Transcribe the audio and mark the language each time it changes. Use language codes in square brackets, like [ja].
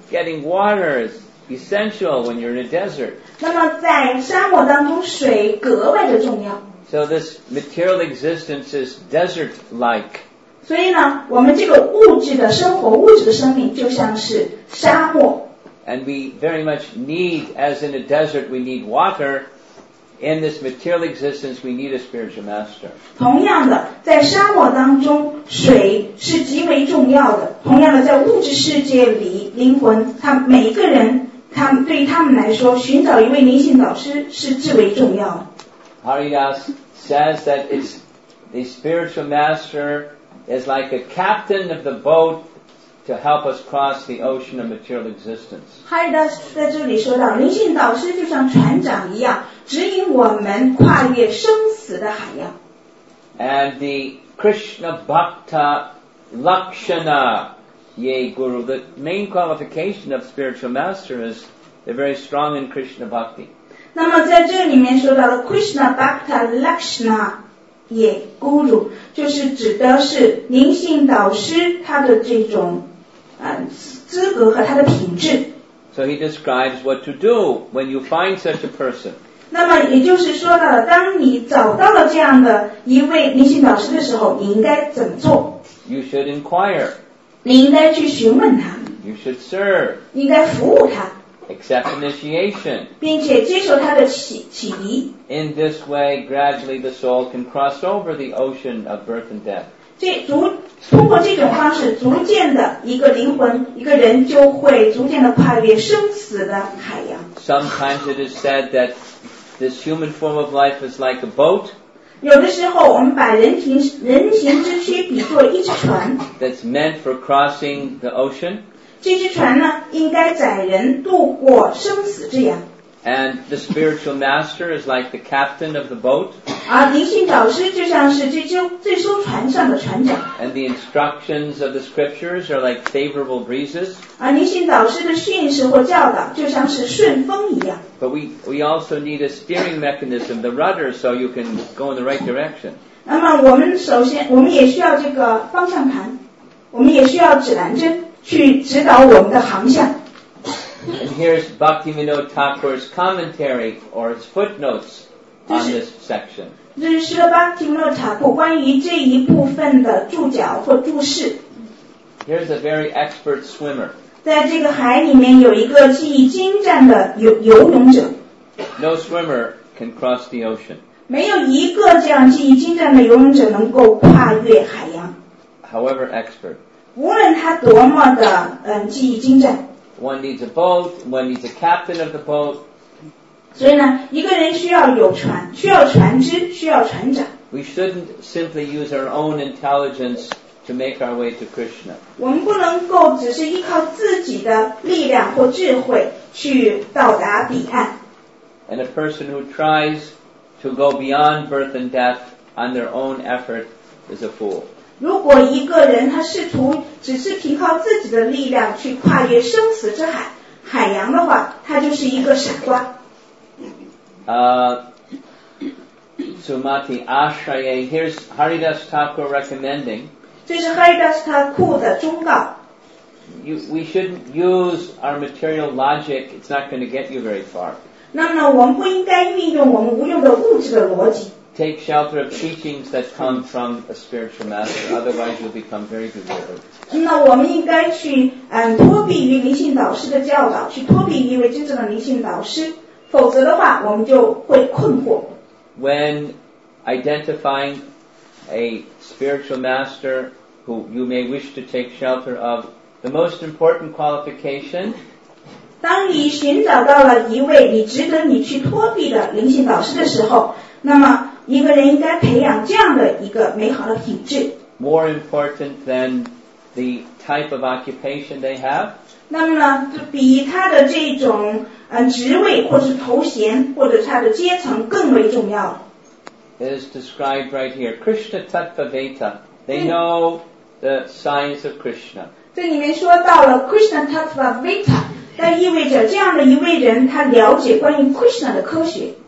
[en] Getting water is... Essential when you're in a desert. [zh] 那么在沙漠当中，水格外的重要。 [en] So this material existence is desert-like. [zh] 所以呢，我们这个物质的生活，物质的生命就像是沙漠。 [en] And we very much need, as in a desert, we need water. In this material existence, we need a spiritual master. [zh] 同样的，在沙漠当中，水是极为重要的。同样的，在物质世界里，灵魂，他每一个人。他们对于他们来说，寻找一位灵性导师是至为重要的。 [en] Haridas says that it's the spiritual master is like a captain of the boat to help us cross the ocean of material existence. [zh] Haridas 在这里说到，灵性导师就像船长一样，指引我们跨越生死的海洋。 [en] And the Krishna Bhakta Lakshana Ye Guru, the main qualification of spiritual master is they're very strong in Krishna Bhakti. [zh] 那么在这里面说到的 Krishna Bhakta Lakshana Ye Guru 就是指的是灵性导师他的这种资格和他的品质。 [en] So he describes what to do when you find such a person. [zh] 那么也就是说到了当你找到了这样的一位灵性导师的时候你应该怎么做？ [en] You should inquire. [zh] 你应该去询问他。 [en] You should serve. [zh] 应该服务他。 [en] Accept initiation. [zh] 并且接受他的启迪。 [en] In this way, gradually the soul can cross over the ocean of birth and death. [zh] 通过这种方式逐渐的一个灵魂一个人就会逐渐的跨越生死的海洋。 [en] Sometimes it is said that this human form of life is like a boat. [zh] 有的时候我们把人形之躯比作一只船。 [en] That's meant for crossing the ocean. [zh] 这只船呢应该载人渡过生死之洋。 [en] And the spiritual master is like the captain of the boat. [zh] 而灵性导师就像是这艘船上的船长。 [en] And the instructions of the scriptures are like favorable breezes. [zh] 而灵性导师的训示或教导就像是顺风一样。 [en] But we also need a steering mechanism, the rudder, so you can go in the right direction. [zh] 那么我们首先我们也需要这个方向盘我们也需要指南针。去指导我们的航向。 [en] And here's Bhaktivinoda Thakur's commentary or his footnotes on this section. [zh] 这是Bhaktivinoda Thakur关于这一部分的注脚或注释。 [en] Here's a very expert swimmer. [zh] 在这个海里面有一个技艺精湛的游泳者。 [en] No swimmer can cross the ocean. [zh] 没有一个这样技艺精湛的游泳者能够跨越海洋。 [en] However expert. [zh] 无论他多么的技艺精湛 [en] one needs a boat, one needs a captain of the boat. [zh] 所以呢一个人需要有船需要船只需要船长 [en] We shouldn't simply use our own intelligence to make our way to Krishna. [zh] 我们不能够只是依靠自己的力量或智慧去到达彼岸 [en] And a person who tries to go beyond birth and death on their own effort is a fool. [zh] 如果一个人他试图只是凭靠自己的力量去跨越生死之海海洋的话他就是一个傻瓜 [en] Sumati Ashraye Here's Haridas Thakur recommending [zh] 这是 Haridas Thakur 的忠告 [en] We shouldn't use our material logic It's not going to get you very far [zh] 那么我们不应该运用我们无用的物质的逻辑 [en] Take shelter of teachings that come from a spiritual master, otherwise you'll become very bewildered. [zh] 那我们应该去脱避于灵性导师的教导，去脱避于一位真正的灵性导师，否则的话，我们就会困惑。 [en] When identifying a spiritual master who you may wish to take shelter of, the most important qualification. [zh] 当你寻找到了一位你值得你去脱避的灵性导师的时候，那么一个人应该培养这样的一个美好的品质。 [en] More important than the type of occupation they have. [zh] 那么呢，比他的这种职位或者头衔或者他的阶层更为重要。 [en] It is described right here, Krishna Tattva Veta. They know the science of Krishna. [zh] 这里面说到了 Krishna Tattva Veta， 那意味着这样的一位人，他了解关于 Krishna 的科学。